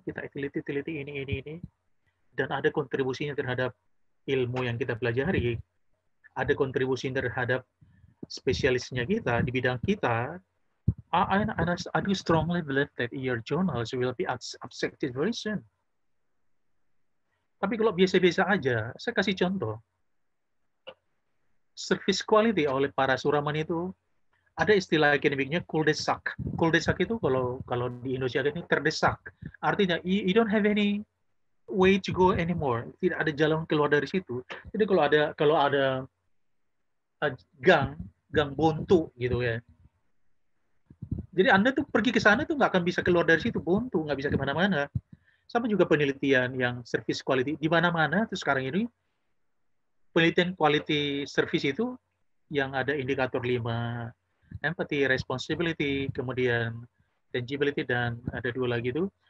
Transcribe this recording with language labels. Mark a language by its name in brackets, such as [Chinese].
[Indonesian] Kita teliti-teliti ini, dan ada kontribusinya terhadap ilmu yang kita pelajari, ada kontribusi terhadap spesialisnya kita di bidang kita, [English] I do strongly believe that your journals will be accepted very soon. [Indonesian] Tapi kalau biasa-biasa aja, saya kasih contoh. Service quality oleh para Suraman itu, ada istilah akademiknya kuldesak. Kuldesak itu kalau di Indonesia ini terdesak. Artinya, [English] you don't have any way to go anymore. [Indonesian] Tidak ada jalan keluar dari situ. Jadi kalau ada gang buntu gitu ya. Jadi Anda tuh pergi ke sana tuh nggak akan bisa keluar dari situ, buntu, nggak bisa kemana-mana. Sama juga penelitian yang service quality di mana-mana tuh sekarang ini penelitian quality service itu yang ada indikator 5, empathy, responsibility, kemudian tangibility dan ada dua lagi tuh.